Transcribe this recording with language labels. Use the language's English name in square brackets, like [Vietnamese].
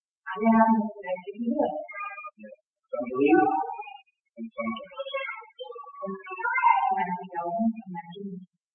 [German] Alle haben das gleiche gehört. [English] Some believe and some don't. [German] Manche glauben und manche nicht.